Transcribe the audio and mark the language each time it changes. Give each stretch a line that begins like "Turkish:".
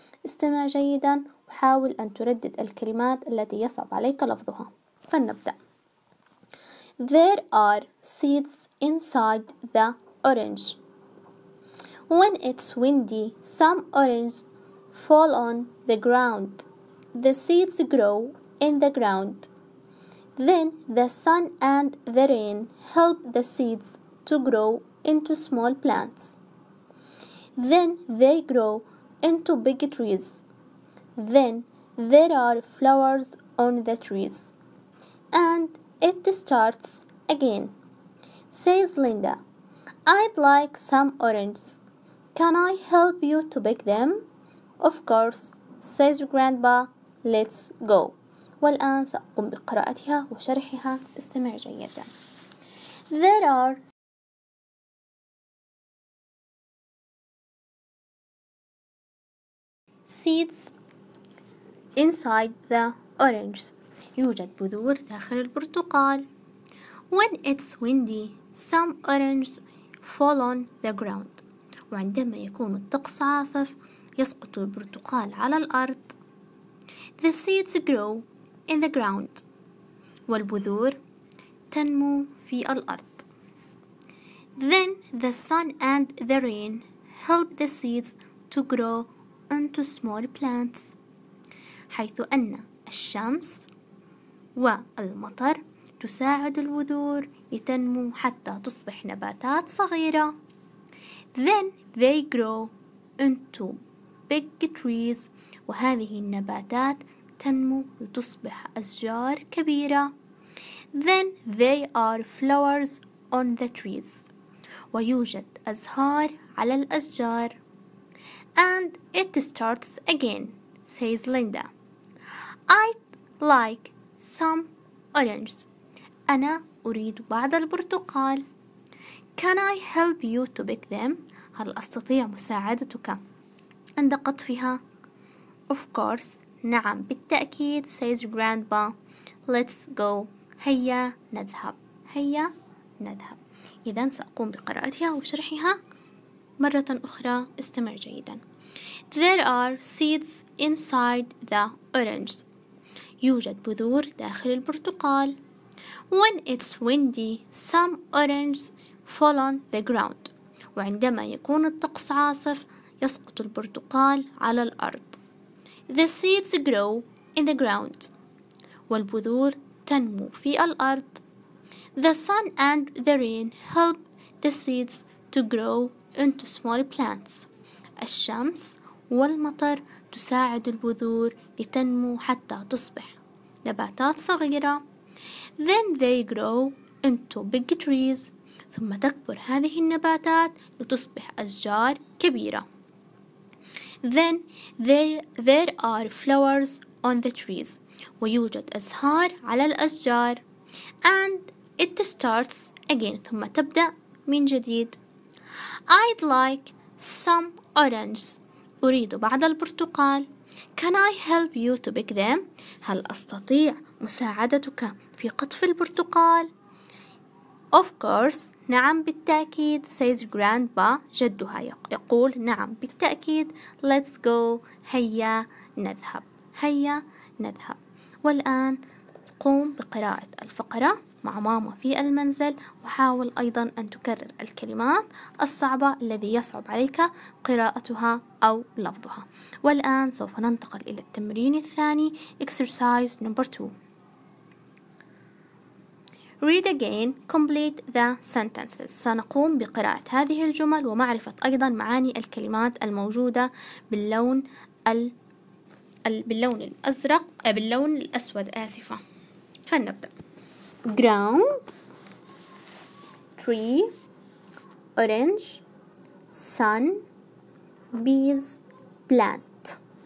Arabic: استمع جيدا وحاول أن تردد الكلمات التي يصعب عليك لفظها. فلنبدأ.
English: There are seeds inside the orange. When it's windy, some oranges fall on the ground. The seeds grow in the ground. Then the sun and the rain help the seeds to grow into small plants. Then they grow into big trees. Then there are flowers on the trees. And it starts again, says Linda. I'd like some oranges. Can I help you to pick them? Of course, says Grandpa. Let's go.
Arabic: والآن سأقوم بقراءتها وشرحها. استمع جيدا.
English: There are seeds inside the oranges.
Arabic: يوجد بذور داخل البرتقال.
English: When it's windy, some oranges fall on the ground.
Arabic: وعندما يكون الطقس عاصف يسقط البرتقال على الأرض.
English: The seeds grow in the ground.
Arabic: والبذور تنمو في الأرض.
English: Then the sun and the rain help the seeds to grow into small plants.
Arabic: حيث أن الشمس والمطر تساعد البذور لتنمو حتى تصبح نباتات صغيرة.
English: Then they grow into big trees.
Arabic: وهذه النباتات تنمو لتصبح أشجار كبيرة.
English: Then they are flowers on the trees.
Arabic: ويوجد أزهار على الأشجار.
English: And it starts again, says Linda. I'd like some oranges.
Arabic: أنا أريد بعض البرتقال.
English: Can I help you to pick them?
Arabic: هل أستطيع مساعدتك عند قطفها؟
English: Of course.
Arabic: نعم بالتأكيد،
English: says Grandpa. Let's go.
Arabic: هيا نذهب. هيا نذهب. إذن سأقوم بقراءتها وشرحها مرة أخرى. استمع جيدا.
English: There are seeds inside the oranges.
Arabic: يوجد بذور داخل البرتقال.
English: When it's windy, some oranges fall on the ground.
Arabic: وعندما يكون الطقس عاصف يسقط البرتقال على الأرض.
English: The seeds grow in the ground.
Arabic: والبذور تنمو في الأرض.
English: The sun and the rain help the seeds to grow into small plants.
Arabic: الشمس والمطر تساعد البذور لتنمو حتى تصبح نباتات صغيرة.
English: Then they grow into big trees.
Arabic: ثم تكبر هذه النباتات لتصبح أشجار كبيرة.
English: Then there are flowers on the trees.
Arabic: ويوجد أزهار على الأشجار.
English: And It starts again.
Arabic: ثم تبدأ من جديد.
English: I'd like some oranges.
Arabic: أريد بعض البرتقال.
English: Can I help you to pick them?
Arabic: هل أستطيع مساعدتك في قطف البرتقال؟
English: Of course.
Arabic: نعم بالتأكيد.
English: Says grandpa.
Arabic: جدها يقول نعم بالتأكيد.
English: Let's go.
Arabic: هيا نذهب. هيا نذهب. والآن قم بقراءة الفقرة مع ماما في المنزل، وحاول أيضا أن تكرر الكلمات الصعبة الذي يصعب عليك قراءتها أو لفظها. والآن سوف ننتقل إلى التمرين الثاني.
English: Exercise number 2. Read again, complete the sentences.
Arabic: سنقوم بقراءة هذه الجمل ومعرفة أيضا معاني الكلمات الموجودة باللون الأزرق، باللون الأسود، آسفة. فلنبدأ.
English: Ground, tree, orange, sun, bees, plant.